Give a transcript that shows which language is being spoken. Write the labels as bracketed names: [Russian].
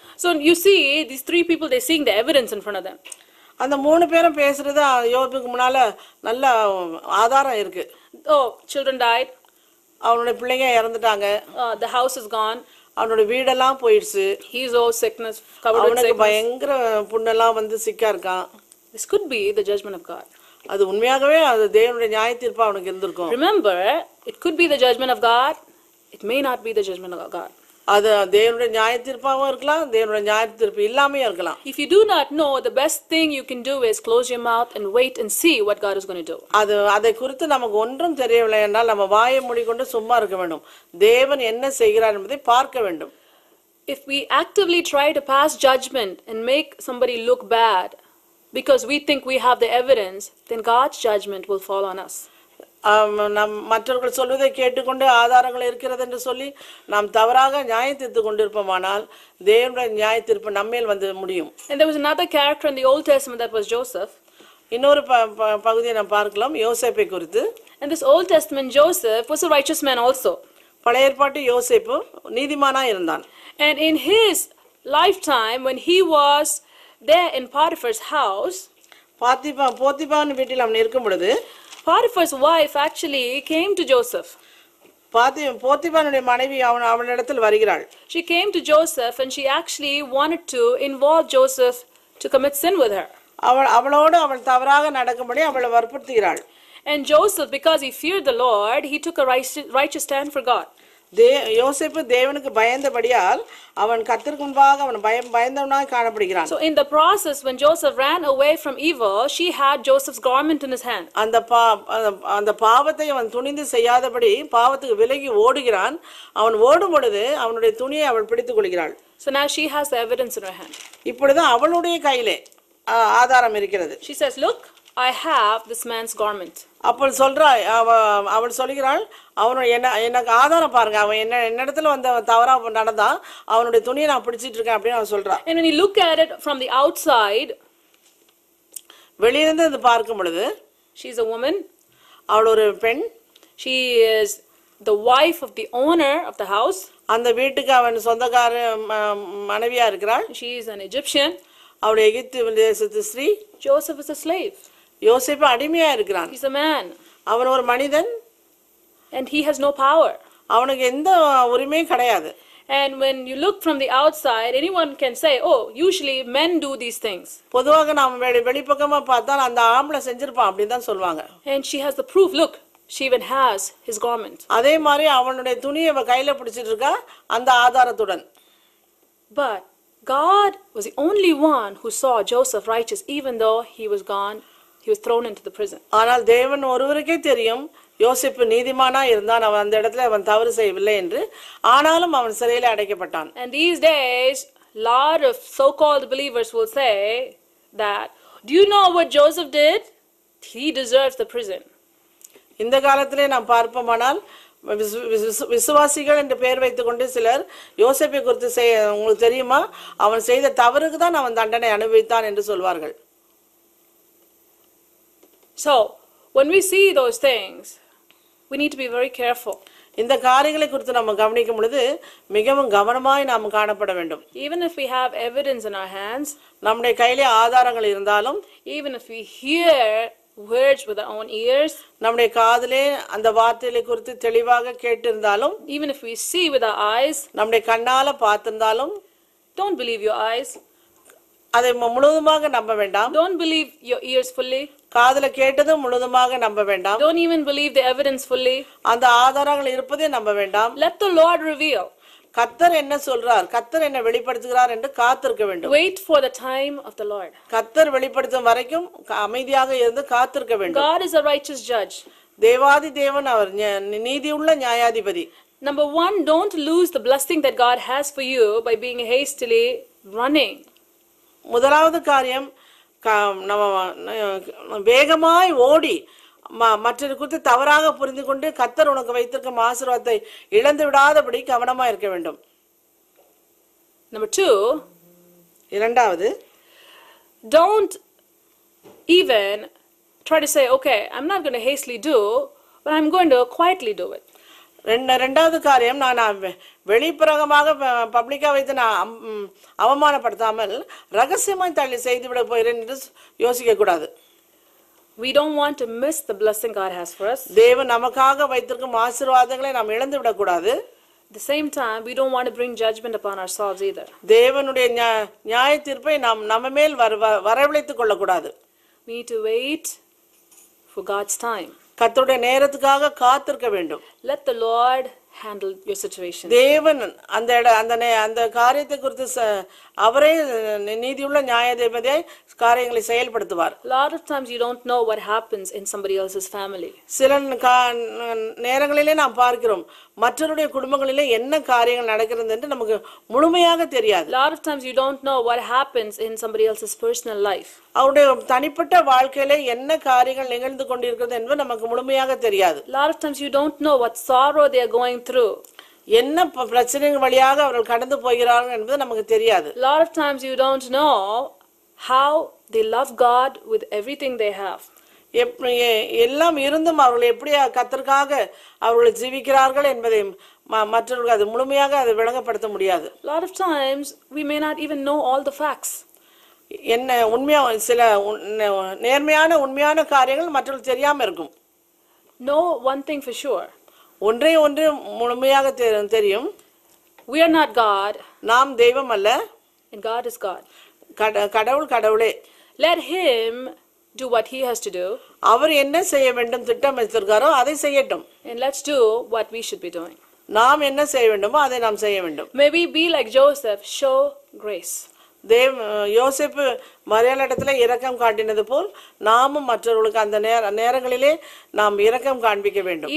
[English] So you see these three people, they're seeing the evidence in front of them. [Tamil] அந்த மூணு பேரும் பேசுறது யோபுக்கு முன்னால நல்ல ஆதாரம் இருக்கு. [English] oh, children died, [Tamil] அவனுடைய பிள்ளைங்க இறந்துட்டாங்க. [English] the house is gone, [Tamil] அவனோட வீடெல்லாம் போயிடுச்சு. [English] He is oh sickness covered. [Tamil] அவனுக்கு பயங்கர புண்ணெல்லாம் வந்து சிக்கா இருக்கான். [English] This could be the judgement of God. [Tamil] அது உண்மையாகவே அது தேவனுடைய நியாய தீர்ப்பா அவனுக்கு இருந்திருக்கும். [English] Remember, it could be the judgement of God, it may not be the judgement of God. [Tamil] அது தேவனுடைய நியாய தீர்ப்பாகவும் இருக்கலாம், தேவனுடைய நியாய தீர்ப்பு இல்லாமையும் இருக்கலாம். [English] If you do not know, the best thing you can do is close your mouth and wait and see what God is going to do. [Tamil] அது அதை குறித்து நமக்கு ஒன்றும் தெரியவில்லை என்றால் நம்ம வாயை மூடிக்கொண்டு சும்மா இருக்க வேண்டும். தேவன் என்ன செய்கிறார் என்பதை பார்க்க வேண்டும். [English] If we actively try to pass judgment and make somebody look bad because we think we have the evidence, then God's judgment will fall on us. [Tamil] நம் மற்றவர்கள் சொல்வதை கேட்டுக்கொண்டு ஆதாரங்கள் இருக்கிறது என்று சொல்லி நாம் தவறாக நியாய தீர்த்து கொண்டிருப்போமானால் தேவனுடைய நியாய தீர்ப்பு நம்மேல் வந்து முடியும். [English] And there was another character in the Old Testament that was Joseph. [Tamil] இன்னொரு பகுதியை நாம் பார்க்கலாம் யோசேப்பை குறித்து. [English] And this Old Testament Joseph was a righteous man also. [Tamil] பழைய ஏற்பாட்டு யோசேப்பு நீதிமானா இருந்தான். [English] And in his lifetime when he was there in Potiphar's house, [Tamil] போத்திபான் வீட்டில் அவன் இருக்கும் பொழுது [English] Potiphar's wife actually came to Joseph. [Tamil] போத்திபானுடைய மனைவி அவனிடத்தில் வருகிறாள். [English] She came to Joseph and she actually wanted to involve Joseph to commit sin with her. [Tamil] அவளோடு அவள் தவறாக நடக்கும்படி அவளை வற்புறுத்துகிறாள். [English] And Joseph, because he feared the Lord, he took a righteous stand for God. [Tamil] யோசேப்பு தேவனுக்கு பயந்தபடியால் அவன் கர்த்தருக்கு முன்பாக அவன் பயம் பயந்தவனாக காணப்படுகிறான். [English] So in the process when Joseph ran away from evil, she had Joseph's garment in his hand. [Tamil] அந்த பாவத்தை அவன் துணிந்து செய்யாதபடி பாவத்துக்கு விலகி ஓடுகிறான். அவன் ஓடும் பொழுது அவனுடைய துணியை அவள் பிடித்துக் கொள்கிறாள். [English] So now she has the evidence in her hand. [Tamil] இப்பொழுது அவளுடைய கையிலே ஆதாரம் இருக்கிறது. [English] She says, look, I have this man's garment. [Tamil] அப்பள் சொல்றாய், அவள் சொல்கிறாள், அவனுடைய என்ன எனக்கு ஆதாரம் பாருங்க, அவன் என்ன என்னிடத்துல வந்து அவன் தவறா நடந்தா அவனுடைய துணியை நான் பிடிச்சிட்டு இருக்கேன் அப்படின்னு அவன் சொல்றான். [English] And when you look at it from the outside, [Tamil] வெளியிலிருந்து அது பார்க்கும் பொழுது [English] she's a woman. [Tamil] அவள் ஒரு பெண். [English] She is the wife of the owner of the house. [Tamil] அந்த வீட்டுக்கு அவன் சொந்தக்கார மனைவியா இருக்கிறாள். [English] She is an Egyptian. [Tamil] அவள் எகிப்து தேசத்து ஸ்திரீ. [English] Joseph is a slave. [Tamil] யோசேப்பு அடிமையா இருக்கிறான். [English] He's a man. [Tamil] அவன் ஒரு மனிதன். [English] And he has no power. [Tamil] அவனுக்கு எந்த உரிமையும் கிடையாது. [English] And when you look from the outside, anyone can say, oh, usually men do these things. [Tamil] பொதுவாக நாம் வெளிப்பக்கமா பார்த்தா அந்த ஆம்பளை செஞ்சிருப்பான் அப்படின்னு தான் சொல்வாங்க. [English] And she has the proof. Look, she even has his garment. [Tamil] அதே மாதிரி அவனுடைய துணியை அவ கையில பிடிச்சிட்டு இருக்கா அந்த ஆதாரத்துடன். [English] But God was the only one who saw Joseph righteous even though he was gone. He was thrown into the prison. [Tamil] ஆனால் தேவன் ஒருவருக்கே தெரியும் யோசேப்பு நீதிமானா இருந்தான், அவன் அந்த இடத்துல அவன் தவறு செய்யவில்லை என்று. ஆனாலும் அவன் சிறையில் அடைக்கப்பட்டான். [English] And these days lot of so called believers will say that, do you know what Joseph did? He deserves the prison. [Tamil] இந்த காலத்திலே நாம் பார்ப்போமானால் விசுவாசிகள் என்று பெயர் வைத்துக் கொண்டு சிலர் யோசேப்பை குறித்து உங்களுக்கு தெரியுமா, அவன் செய்த தவறுக்கு தான் அவன் தண்டனை அனுபவித்தான் என்று சொல்வார்கள். [English] So when we see those things, we need to be very careful. [Tamil] இந்த காரியங்களை குறித்து நம்ம கவனிக்கும் பொழுது மிகவும் கவனமாய் நாம் காணப்பட வேண்டும். [English] Even if we have evidence in our hands, [Tamil] நம்முடைய கையிலே ஆதாரங்கள் இருந்தாலும், [English] even if we hear words with our own ears, [Tamil] நம்முடைய காதிலே அந்த வார்த்தைகளை குறித்து தெளிவாக கேட்டிருந்தாலும், [English] even if we see with our eyes, [Tamil] நம்முடைய கண்ணால பார்த்திருந்தாலும், [English] don't believe your eyes. [Tamil] அதை முழுதுமாக நம்ப வேண்டாம். [English] Don't believe your ears fully. [Tamil] காதல கேட்டதும் முழுதுமாக நம்ப வேண்டாம். [English] Don't even believe the evidence fully. [Tamil] அந்த ஆதாரங்கள் இருப்பதே நம்ப வேண்டாம். [English] Let the Lord reveal. [Tamil] கத்தர் என்ன சொல்றார், கத்தர் என்ன வெளிப்படுத்துகிறார் என்று காத்திருக்க வேண்டும். [English] Wait for the time of the Lord. [Tamil] கத்தர் வெளிப்படுத்தும் வரைக்கும் அமைதியாக இருந்து காத்திருக்க வேண்டும். [English] God is a righteous judge. [Tamil] தேவாதி தேவன் அவர் நீதியுள்ள நியாயாதிபதி. [English] Number one, don't lose the blessing that God has for you by being hastily running. [Tamil] முதலாவது காரியம், நம்ம வேகமாய் ஓடி மற்றது குறித்து தவறாக புரிந்து கொண்டு கர்த்தர் உனக்கு வைத்திருக்கும் ஆசீர்வாதத்தை இழந்து விடாதபடி கவனமா இருக்க வேண்டும். [English] number two, [Tamil] இரண்டாவது, [English] Don't even try to say okay I am not going to hastily do but I am going to quietly do it. [Tamil] ரெண்டாவது காரியம், நான் வெளிப்புறகமாக பப்ளிக்காக வைத்து நான் அவமானப்படுத்தாமல் ரகசியமாக தள்ளி செய்துவிட போகிறேன் என்று யோசிக்கக்கூடாது. [English] We don't want to miss the blessing God has for us. [Tamil] தேவன் நமக்காக வைத்திருக்கும் ஆசீர்வாதங்களை நாம் இழந்து விடக்கூடாது. [English] At the same time, we don't want to bring judgment upon ourselves either. [Tamil] தேவனுடைய நியாய தீர்ப்பை நாம் நம்ம மேல் வரவழைத்துக் கொள்ளக்கூடாது. [English] We need to wait for God's time. [Tamil] கர்த்தருடைய நேரத்துக்காக காத்திருக்க வேண்டும். [English] Let the Lord handle your situation. [Tamil] தேவன் அந்த காரியத்தை குறித்து அவரே நீதியுள்ள நியாயாதிபதியாய் காரியங்களை செயல்படுத்துவார். [English] Lot of times you don't know what happens in somebody else's family. [Tamil] சில நேரங்களிலே நாம் பார்க்கிறோம் மற்றவருடைய குடும்பங்களிலே என்ன காரியங்கள் நடக்கிறது என்று நமக்கு முழுமையாக தெரியாது. [English] Lot of times you don't know what happens in somebody else's personal life. [Tamil] அவருடைய தனிப்பட்ட வாழ்க்கையில என்ன காரியங்கள் நிகழ்ந்து கொண்டிருக்கிறது என்பது நமக்கு முழுமையாக தெரியாது. [English] Lot of times you don't know what sorrow they are going through. [Tamil] என்ன பிரச்சனைகள் வழியாக அவர்கள் கடந்து போகிறார்கள் என்பது நமக்கு தெரியாது. [English] Lot of times you don't know how they love God with everything they have. [Tamil] எல்லாம் இருந்தும் அவர்கள் எப்படி கர்த்தருக்காக அவர்கள் ஜீவிக்கிறார்கள் என்பதை மற்றவர்கள் அது முழுமையாக அதை விளங்கப்படுத்த முடியாது. [English] Lot of times we may not even know all the facts. [Tamil] என்ன உண்மையா, சில நேர்மையான உண்மையான காரியங்கள் மற்றவர்கள் தெரியாமல் இருக்கும். [English] know one thing for sure, [Tamil] ஒன்றே ஒன்று முழுமையாக தெரியும். [English] We are not God. [Tamil] நாம் தெய்வம் அல்ல. [English] And God is God. [Tamil] கடவுள் கடவுளே. [English] Let him do what he has to do. [Tamil] அவர் என்ன செய்ய வேண்டும் திட்டம் வைத்திருக்காரோ அதை செய்யட்டும். [English] And let's do what we should be doing. [Tamil] நாம் என்ன செய்ய வேண்டுமோ அதை நாம் செய்ய வேண்டும். [English] Maybe be like Joseph, show grace. [Tamil] தேவ யோசேப்பு மரியாதை இடத்துல இரக்கம் காட்டினது போல் நாமும் மற்றவர்களுக்கு அந்த நேரங்களிலே நாம் இரக்கம் காண்பிக்க வேண்டும்.